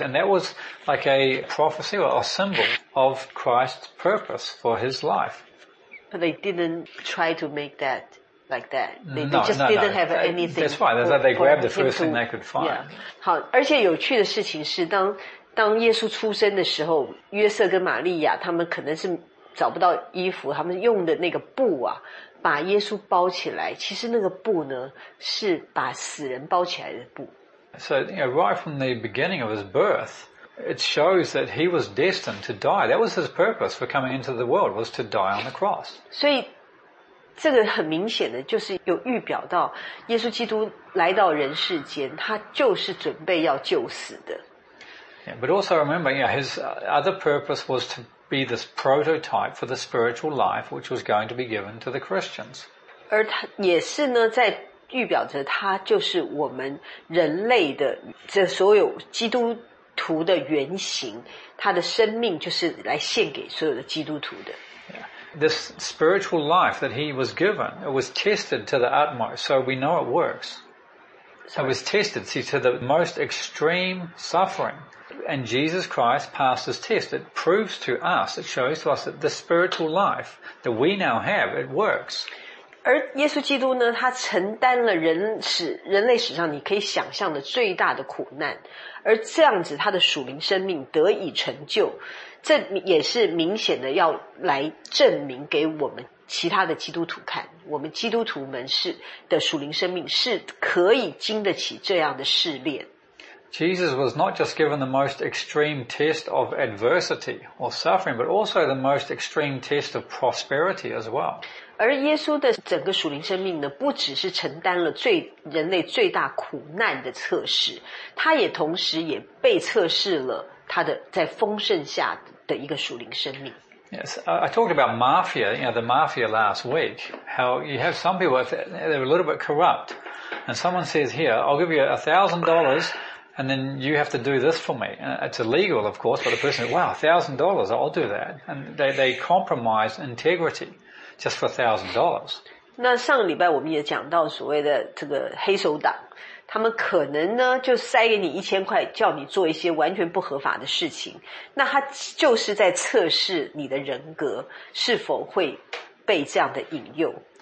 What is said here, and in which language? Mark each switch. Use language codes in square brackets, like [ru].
[en] And that was like a prophecy or a symbol of Christ's purpose for his life. But they didn't try to make that like that. They didn't have anything. That's right. That's like they grabbed the first thing they could find. Yeah. [zh] 好，而且有趣的事情是当耶稣出生的时候，约瑟跟玛利亚他们可能是找不到衣服，他们用的那个布啊，把耶稣包起来。其实那个布呢，是把死人包起来的布。 [en] So, you know, right from the beginning of his birth, it shows that he was destined to die. That was his purpose for coming into the world, was to die on the cross. [zh] 所以，这个很明显的就是有预表到耶稣基督来到人世间，他就是准备要救死的。 [en] Yeah, but also remember, yeah, his other purpose was to. Be this prototype for the spiritual life which was going to be given to the Christians. [zh] 而他也是呢，在预表着他就是我们人类的这所有基督徒的原型，他的生命就是来献给所有的基督徒的。 [en] This spiritual life that he was given, it was tested to the utmost, so we know it works. It was tested, see, to the most extreme suffering. And Jesus Christ passed his test. It proves to us, it shows to us that the spiritual life that we now have, it works. [zh] 而耶稣基督呢，他承担了人类史上你可以想象的最大的苦难，而这样子他的属灵生命得以成就，这也是明显的要来证明给我们其他的基督徒看，我们基督徒们是的属灵生命是可以经得起这样的试炼。 [en] Jesus was not just given the most extreme test of adversity or suffering, but also the most extreme test of prosperity as well. [zh] 而耶稣的整个属灵生命呢，不只是承担了最人类最大苦难的测试，他也同时也被测试了他的在丰盛下的一个属灵生命。 [en] Yes, I talked about mafia, you know, the mafia last week, how you have some people, they're a little bit corrupt, and someone says here, I'll give you $1,000,And then you have to do this for me. It's illegal, of course, but the person says, wow, $1,000, I'll do that. And they compromise integrity just for $1,000. [zh] 那上个礼拜我们也讲到所谓的这个黑手党，他们可能呢就塞给你1000块，叫你做一些完全不合法的事情。那他就是在测试你的人格是否会被这样的引诱。